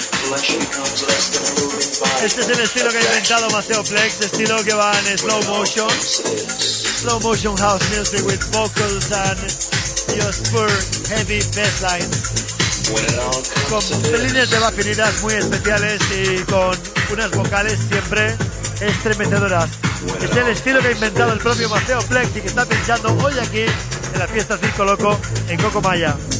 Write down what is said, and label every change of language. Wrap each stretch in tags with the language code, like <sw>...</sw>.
<es>Este es el estilo que ha inventado Maceo Plex, estilo que va en slow motion.</es> <en>Slow motion house music with vocals and just for heavy bassline.</en> <es>Con líneas de bajinidad muy especiales y con unas vocales siempre estremecedoras. Es el estilo que ha inventado el propio Maceo Plex y que está pinchando hoy aquí en la fiesta Circo Loco en Coco Maya.</es>